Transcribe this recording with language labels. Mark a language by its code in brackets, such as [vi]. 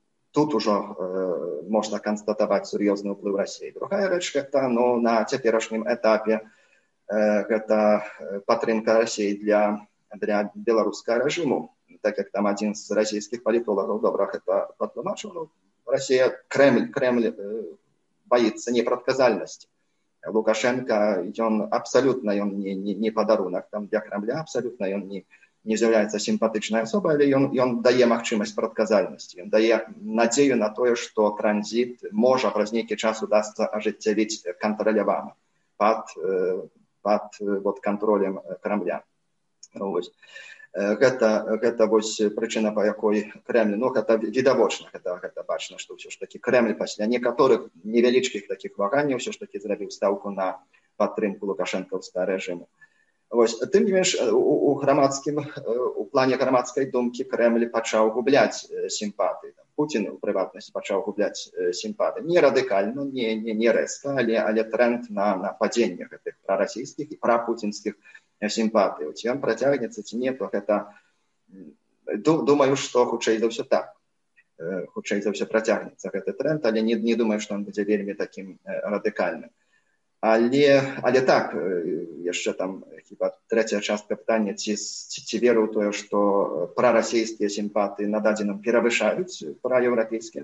[be] Тут ужо можна канстатаваць сур'ёзны ўплыў Расіі. Другая рэч гэта, ну, на цяперашнім этапе гэта падтрымка Расіі для беларускага рэжыму, так як там адзін з расійскіх палітолагаў добра гэта патлумачыў. [ru] Россия, Кремль боится непредсказуемости. Лукашенко, он абсолютно он не подарунок там для Кремля, абсолютно он не является симпатичной особой, или он дает возможность предсказуемости, он дает надежду на то, что транзит может в некий час удастся ожить контролируемо под вот контролем Кремля. [be] Гэта вось прычына, па якой Крэмль, ну, гэта відавочна, гэта бачна, што ўсё ж такі Крэмль пасля некаторых невялічкіх такіх ваганняў ўсё ж такі зрабіў стаўку на падтрымку лукашэнкаўскага рэжыму. Вось, тым не менш, у плане грамадскай думкі Крэмль пачаў губляць сімпатыі. Путін, у прыватнасці, пачаў губляць сімпатыі. Не радыкальна, не рэзка, але тренд на падзенне гэтых прарасійскіх і прапуцінскіх симпатии. [ru] Вот он протягивается, ци нету, это думаю, что хуже за все так. Хуже за все протягивается этот тренд, але не думаю, что он будет вельми таким радикальным. Але так, еще там хіба третья частка питання, ці веру в то, что проросійские симпатии на даденном перевышают проевропейские.